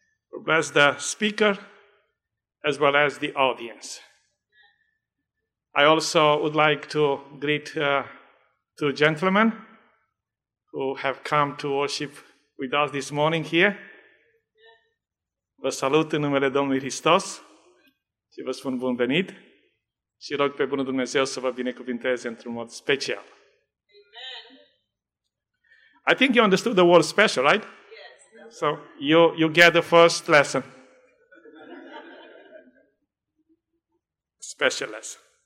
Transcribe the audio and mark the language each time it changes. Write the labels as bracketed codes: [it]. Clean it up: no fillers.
[en] Will bless the speaker as well as the audience. I also would like to greet two gentlemen who have come to worship with us this morning here. [ro] Vă salut în numele Domnului Hristos și vă spun bun venit și rog pe bunul Dumnezeu să vă binecuvinteze într-un mod special. [en] I think you understood the word special, right? So you get the first lesson. Special lesson.